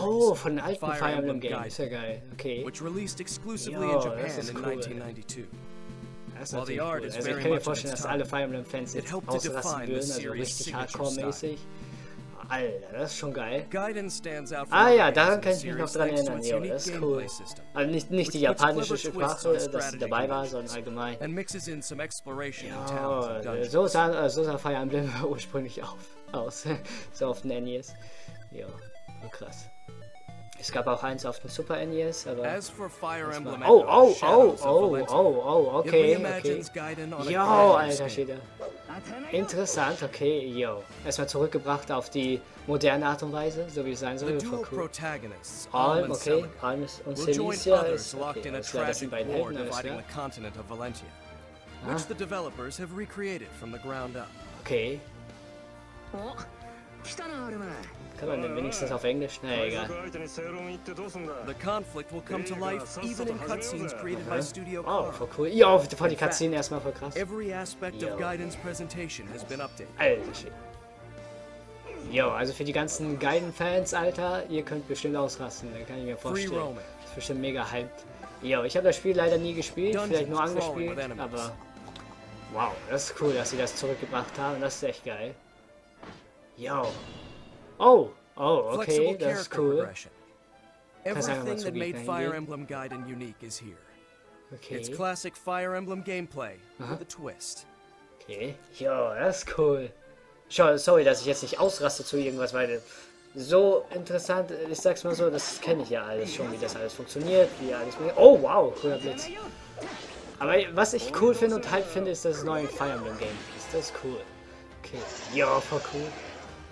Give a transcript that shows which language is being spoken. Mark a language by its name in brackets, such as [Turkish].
[English] Oh, [German] von alten [English] Fire Emblem Games. Okay. Which released exclusively in Japan in 1992. While the art is very much in its time, it helped to define the series' signature style. [German] Alter, das ist schon geil. [English] Guidance stands out from the rest of the series thanks to its unique gameplay system. [German] Also nicht die japanische Sprache, das dabei war, sondern allgemein. [English] And mixes in some exploration in towns and dungeons. [German] So sah Fire Emblem ursprünglich aus. So auf den NES. Ja, krass. Es gab auch eins auf dem Super NES, aber [English] as for Fire Emblem, [German] okay. Jo, Alter Schede. Interessant, okay, yo. Erstmal zurückgebracht auf die moderne Art und Weise, so wie es sein soll, voll cool. Alm, okay, Alm und Celicia, okay, das sind beide Helden, alles klar. [English] Continent of Valentia, which the developers have recreated from the ground up. Okay. [German] Kann man denn wenigstens auf Englisch? Na egal. [English] The conflict will come to life even in cutscenes created by Studio Core. [German] Oh, voll cool. Ja, vor die Cutscene erstmal voll krass. [English] Every aspect of Gaiden's presentation has been updated. [German] Alter, shit. Yo, also für die ganzen Gaiden-Fans, Alter, ihr könnt bestimmt ausrasten, da kann ich mir vorstellen. Das ist bestimmt mega hyped. Yo, ich habe das Spiel leider nie gespielt, vielleicht nur angespielt, aber wow, das ist cool, dass sie das zurückgebracht haben. Das ist echt geil. Yo. Oh, okay, das ist cool. [English] Everything that made Fire Emblem Gaiden unique is here. Okay. It's classic Fire Emblem gameplay with a twist. [German] Okay. Yo, das ist cool. Sorry, dass ich jetzt nicht ausraste zu irgendwas, weil so interessant, ich sag's mal so, das kenne ich ja alles schon, wie das alles funktioniert, wie alles. Oh, wow, cooler Blitz. Aber was ich cool finde und hype finde, ist das neue Fire Emblem Game. Das ist cool. Okay. Yo, voll cool.